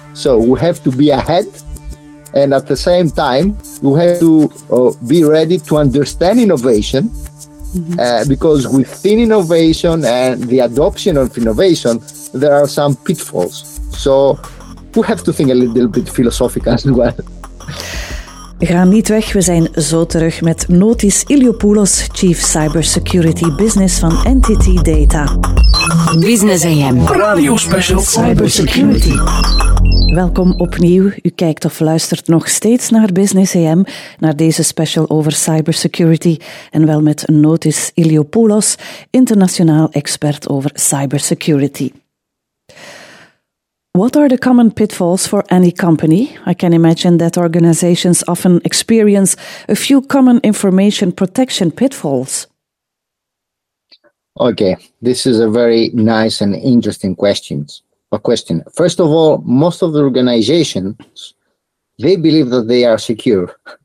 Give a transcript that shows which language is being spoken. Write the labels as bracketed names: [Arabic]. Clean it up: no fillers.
[English] So we have to be ahead. And at the same time, we have to be ready to understand innovation. Because within innovation and the adoption of innovation, there are some pitfalls. So we have to think a little bit philosophic as well. [Dutch] Ga niet weg, we zijn zo terug met Notis Iliopoulos, Chief Cybersecurity Business van NTT Data. Business AM. Radio Special Cybersecurity. Welkom opnieuw. U kijkt of luistert nog steeds naar Business AM, naar deze special over cybersecurity en wel met Notis Iliopoulos, internationaal expert over cybersecurity. [English] What are the common pitfalls for any company? I can imagine that organizations often experience a few common information protection pitfalls. Okay, this is a very nice and interesting question. First of all, most of the organizations, they believe that they are secure.